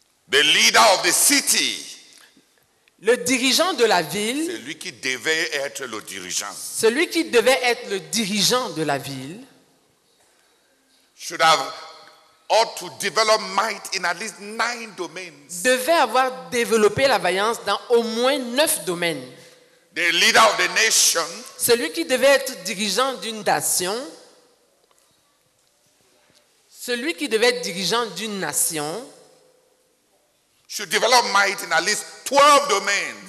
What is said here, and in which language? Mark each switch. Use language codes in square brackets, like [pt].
[en] The leader of the city. [fr] Le dirigeant de la ville. Celui qui devait être le dirigeant. Celui qui devait être le dirigeant de la ville. [en] Should have ought to develop might in at least 9 domains. [fr] Devait avoir développé la vaillance dans au moins 9 domaines. [en] The leader of the nation. [fr] Celui qui devait être dirigeant d'une nation. Celui qui devait être dirigeant d'une nation. [en] Should develop might in at least 12 domains.